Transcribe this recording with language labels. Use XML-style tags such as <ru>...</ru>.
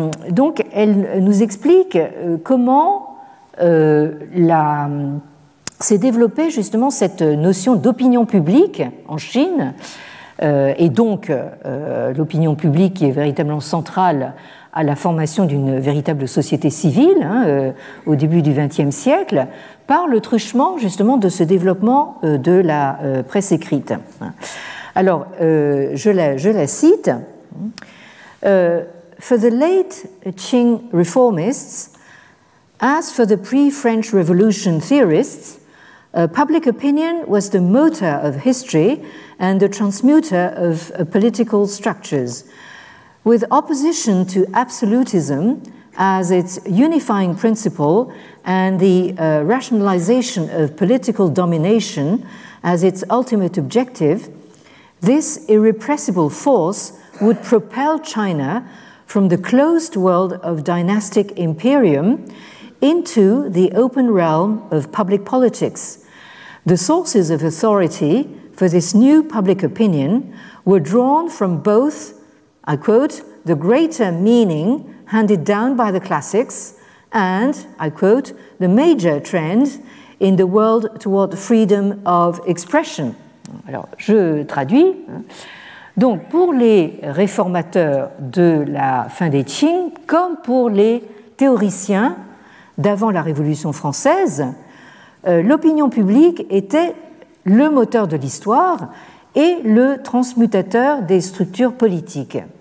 <fr>Donc elle nous explique comment s'est développée justement cette notion d'opinion publique en Chine, et donc l'opinion publique qui est véritablement centrale à la formation d'une véritable société civile au début du XXe siècle, par le truchement justement de ce développement de la presse écrite. Alors, je la cite.</fr> <en>For the late Qing reformists, as for the pre-French Revolution theorists, public opinion was the motor of history and the transmuter of political structures. With opposition to absolutism as its unifying principle and the rationalization of political domination as its ultimate objective, this irrepressible force would propel China from the closed world of dynastic imperium into the open realm of public politics. The sources of authority for this new public opinion were drawn from both, I quote, the greater meaning handed down by the classics and, I quote, the major trend in the world toward freedom of expression.</en> <fr>Alors, je traduis. Donc, pour les réformateurs de la fin des Qing, comme pour les théoriciens d'avant la Révolution française, l'opinion publique était le moteur de l'histoire et le transmutateur des structures politiques.</fr>